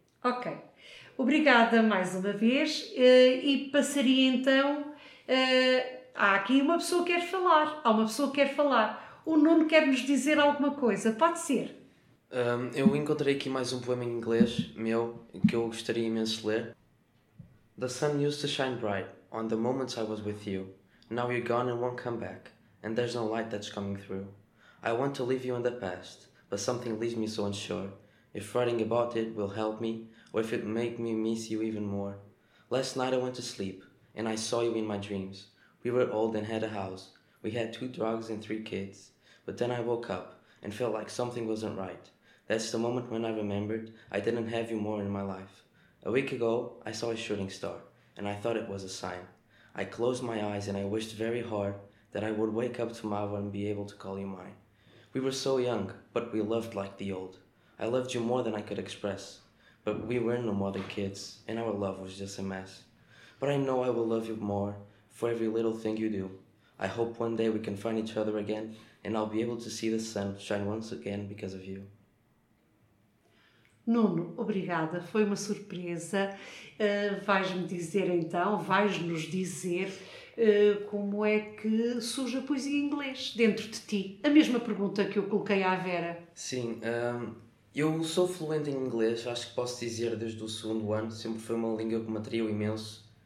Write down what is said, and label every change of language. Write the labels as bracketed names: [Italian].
[Portuguese] Ok. Obrigada mais uma vez. E passaria então... há aqui uma pessoa que quer falar. Há uma pessoa que quer falar. O Nuno quer-nos dizer alguma coisa. Pode ser. Eu encontrei aqui mais um poema em inglês, meu, que eu gostaria imenso de ler. [English] The sun used to shine bright on the moments I was with you. Now you're gone and won't come back, and there's no light that's coming through. I want to leave you in the past, but something leaves me so unsure. If writing about it will help me, or if it make me miss you even more. Last night I went to sleep, and I saw you in my dreams. We were old and had a house. We had 2 dogs and 3 kids. But then I woke up and felt like something wasn't right. That's the moment when I remembered I didn't have you more in my life. A week ago, I saw a shooting star, and I thought it was a sign. I closed my eyes and I wished very hard that I would wake up tomorrow and be able to call you mine. We were so young, but we loved like the old. I loved you more than I could express. But we were no more than kids, and our love was just a mess. But I know I will love you more for every little thing you do. I hope one day we can find each other again, and I'll be able to see the sun shine once again because of you. [Portuguese] Nuno, obrigada, foi uma surpresa. Vais-me dizer então, vais-nos dizer como é que surge a poesia em inglês dentro de ti? A mesma pergunta que eu coloquei à Vera. Sim, eu sou fluente em inglês, acho que posso dizer desde o segundo ano, sempre foi uma língua que me atraiu imenso.